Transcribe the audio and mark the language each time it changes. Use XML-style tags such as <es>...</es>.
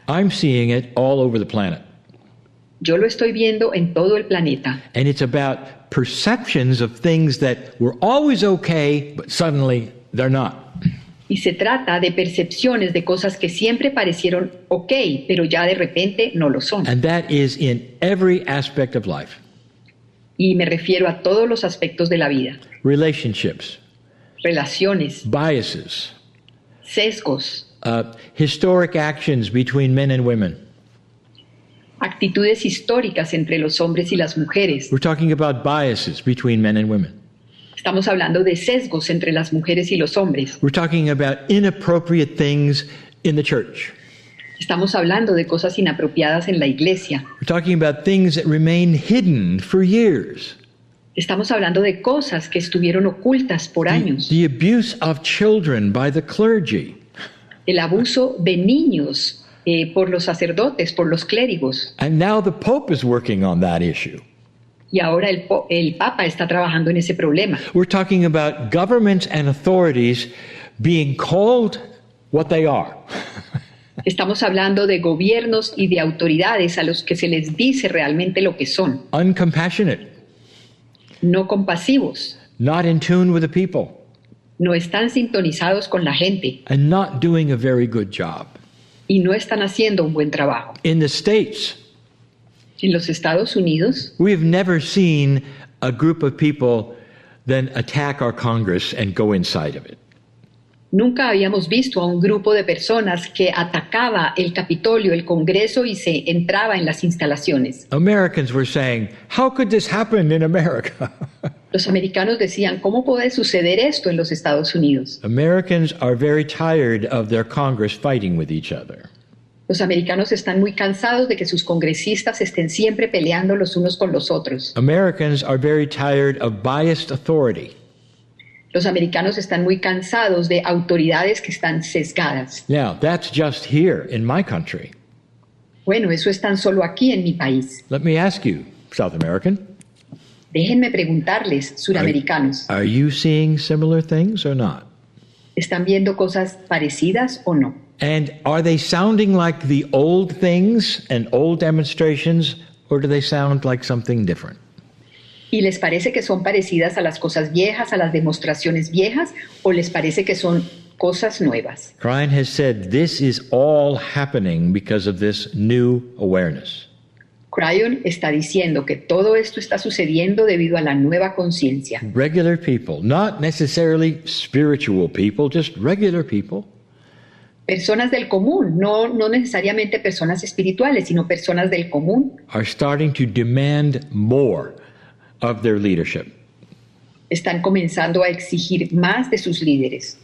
<en>I'm seeing it all over the planet.</en> <es>Yo lo estoy viendo en todo el planeta.</es> <en>And it's about perceptions of things that were always okay, but suddenly they're not.</en> <es>Y se trata de percepciones de cosas que siempre parecieron okay, pero ya de repente no lo son.</es> <en>And that is in every aspect of life.</en> <es>Y me refiero a todos los aspectos de la vida.</es> <en>Relationships.</en> <es>Relaciones.</es> <en>Biases.</en> <es>Sesgos.</es> <en>Historic actions between men and women.</en> <es>Actitudes históricas entre los hombres y las mujeres.</es> <en>We're talking about biases between men and women.</en> <es>Estamos hablando de sesgos entre las mujeres y los hombres.</es> <en>We're talking about inappropriate things in the church.</en> <es>Estamos hablando de cosas inapropiadas en la iglesia.</es> <en>We're talking about things that remain hidden for years.</en> <es>Estamos hablando de cosas que estuvieron ocultas por años.</es> <en>The abuse of children by the clergy.</en> <es>El abuso de niños por los sacerdotes, por los clérigos.</es> <en>And now the Pope is working on that issue.</en> <es>Y ahora el Papa está trabajando en ese problema.</es> <en>We're talking about governments and authorities being called what they are.</en> <es>Estamos hablando de gobiernos y de autoridades a los que se les dice realmente lo que son.</es> <en>Uncompassionate.</en> <es>No compasivos.</es> <en>Not in tune with the people.</en> <es>No están sintonizados con la gente.</es> <en>And not doing a very good job.</en> <es>Y no están haciendo un buen trabajo.</es> <en>In the States.</en> <es>En los Estados Unidos.</es> <en>We've never seen a group of people then attack our Congress and go inside of it.</en> <es>Nunca habíamos visto a un grupo de personas que atacaba el Capitolio, el Congreso, y se entraba en las instalaciones.</es> <en>Americans were saying, how could this happen in America?</en> <es>Los americanos decían, ¿cómo puede suceder esto en los Estados Unidos?</es> <en>Americans are very tired of their Congress fighting with each other.</en> <es>Los americanos están muy cansados de que sus congresistas estén siempre peleando los unos con los otros.</es> <en>Americans are very tired of biased authority.</en> <es>Los americanos están muy cansados de autoridades que están sesgadas.</es> <en>Now, that's just here in my country.</en> <es>Bueno, eso es tan solo aquí en mi país.</es> <en>Let me ask you, South American.</en> <es>Déjenme preguntarles, suramericanos.</es> <en>Are you seeing similar things or not?</en> <es>¿Están viendo cosas parecidas o no?</es> <en>And are they sounding like the old things and old demonstrations, or do they sound like something different?</en> <es>¿Y les parece que son parecidas a las cosas viejas, a las demostraciones viejas, o les parece que son cosas nuevas?</es> <en>Crine has said this is all happening because of this new awareness.</en> <es>Crayon está diciendo que todo esto está sucediendo debido a la nueva conciencia.</es> <en>Regular people, not necessarily spiritual people, just regular people.</en> <es>Personas del común, no necesariamente personas espirituales, sino personas del común.</es> <en>Are starting to demand more of their leadership.</en> <es>Están comenzando a exigir más de sus líderes.</es>